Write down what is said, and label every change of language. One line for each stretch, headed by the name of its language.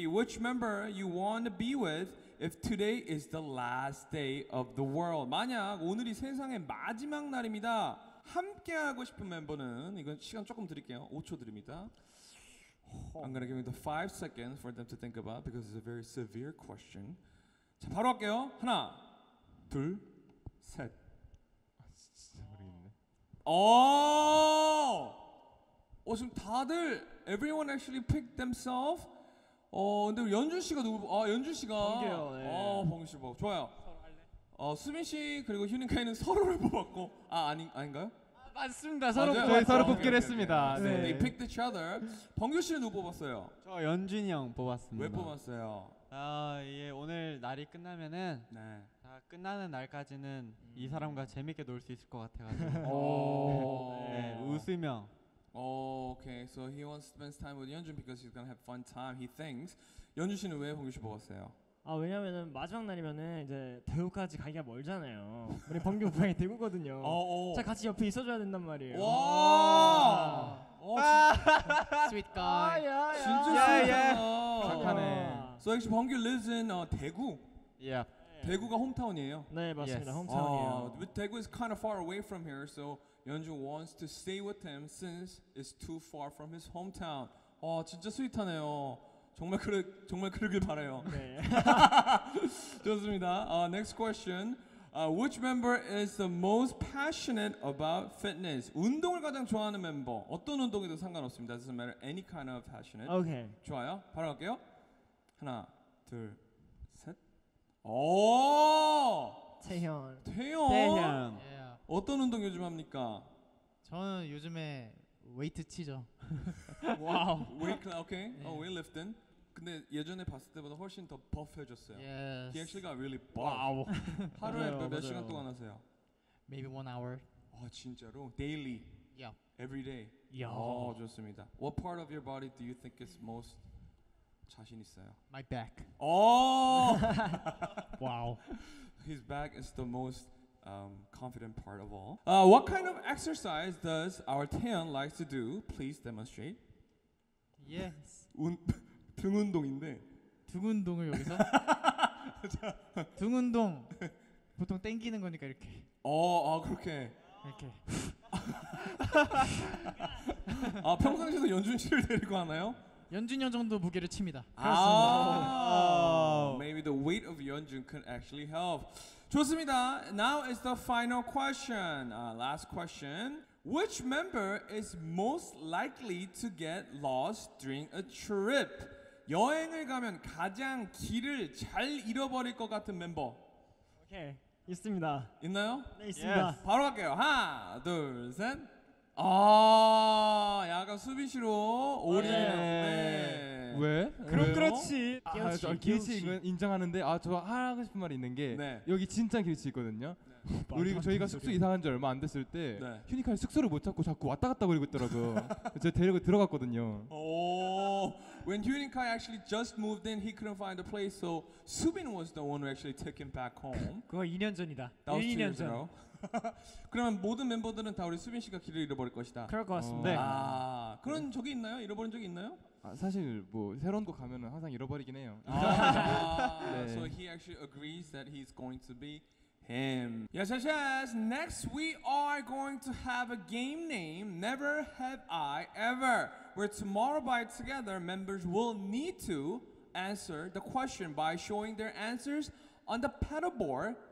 English: Which member you want to be with if today is the last day of the world?
Korean: 만약 오늘이 세상의 마지막 날입니다. 함께 하고 싶은 멤버는 이건 시간 조금 드릴게요. 5초 드립니다.
English: I'm gonna give you the 5 seconds for them to think about because it's a very severe question.
Korean: 자 바로 할게요. 하나, 둘, 셋. 아 진짜 모르겠네. 오! 오 지금 다들
English: everyone actually picked themselves.
Korean: 어 근데 연준 씨가 누구? 아 연준 씨가. 번개요. 네. 어 번개 씨 뭐 좋아요. 서로 할래. 어 수민 씨 그리고 휴닝카이는 서로를 뽑았고 아 아닌가요? 맞습니다. 서로 뽑기로 서로 뽑기로 했습니다. 네.
English: They picked each other.
Korean: 범규 씨는 누구 뽑았어요? 저 연준이 형 뽑았습니다. 왜 뽑았어요? 아, 예, 오늘 날이 끝나면은 네. 다 끝나는 날까지는 이 사람과 재밌게 놀 수 있을 것 같아가지고 네, 웃으며
English: 오케이, so he wants to spend time with 연준 because he's gonna have fun time, he thinks.
Korean: 연준 씨는 왜 범규 씨 보고 왔어요? 아, 왜냐면은 마지막 날이면은 이제 대구까지 가기가 멀잖아요. 우리 범규 부장이 대구거든요. 자, 같이 옆에 있어줘야 된단 말이에요. 와! 스윗 가이. 진짜 스윗하다. 착하네.
English: So actually, 범규 lives in 대구? Yeah.
Korean: 대구가 홈타운이에요? 네, 맞습니다.
English: Yes.
Korean: 홈타운이에요.
English: 대구 is kind of far away from here, so 연준 wants to stay with him since it's too far from his hometown.
Korean: 와, 진짜 스윗하네요. 정말 그래, 정말 그러길 바라요. 네. 좋습니다.
English: Next question. Which member is the most passionate about fitness?
Korean: 운동을 가장 좋아하는 멤버. 어떤 운동에도 상관없습니다.
English: Doesn't matter any kind of passionate. Okay.
Korean: 좋아요. 바로 갈게요. 하나, 둘, 셋. 오! 태현. 태현. 태현.
English: Yeah.
Korean: 어떤 운동 요즘 합니까? 저는 요즘에 웨이트 치죠. 와우. 웨이트 오케이. 어, 웨이트리프팅. 근데 예전에 봤을 때보다 훨씬 더 퍼프해졌어요.
English: Yes. He actually got really buff. Wow.
Korean: 하루에 몇 시간 동안 하세요?
English: Maybe one hour.
Korean: 아, 진짜로?
English: Daily? Yeah. Every day? Yeah.
Korean: 오, 좋습니다.
English: What part of your body do you think is most
Korean: 자신 있어요?
English: My back.
Korean: 오!
English: Wow. His back is the most confident part of all. What kind of exercise does our Taehyun like to do? Please demonstrate. Yes.
Korean: 등 운동인데 등 운동을 여기서 등 운동 보통 땡기는 거니까 이렇게 아 그렇게 이렇게 아 평상시에도 연준 씨를 데리고 하나요? 연준 형 정도 무게를 칩니다. 그렇습니다.
English: Maybe the weight of 연준 can actually help.
Korean: 좋습니다.
English: Now is the final question. Last question. Which member is most likely to get lost during a trip?
Korean: 여행을 가면 가장 길을 잘 잃어버릴 것 같은 멤버. 오케이. 있습니다. 있나요? 네, 있습니다.
English: Yes.
Korean: 바로 갈게요. 하나, 둘, 셋. 아, 약간 수빈 씨로 오리네요. 네. 왜? 그럼 그렇지. 길치 이건 인정하는데 아, 저 하고 싶은 말이 있는 게 네. 여기 진짜 길치 있거든요. 네. 우리 저희가 숙소 이사한 지 얼마 안 됐을 때 네. 휴니카에 숙소를 못 찾고 자꾸 왔다 갔다 거리고 있더라고. 제가 데리고 들어갔거든요. 오.
English: When Hyunikai actually just moved in, he couldn't find a place, so Subin was the one who actually took him back home.
Korean: 그거 2년 전이다.
English: That was
Korean: 2년 전. 그러면 모든 멤버들은 다 우리 수빈 씨가 길을 잃어버릴 것이다. 그럴 것 같습니다. 아, 그런 네. 적이 있나요? 잃어버린 적이 있나요? 아, 사실 뭐 새로운 곳 가면은 항상 잃어버리긴 해요. 네.
English: So he actually agrees that he's going to be him. Yes, yes, yes. Next, we are going to have a game name. Never have I ever. Where tomorrow by together, members will need to answer the question by showing their answers on the paddle board.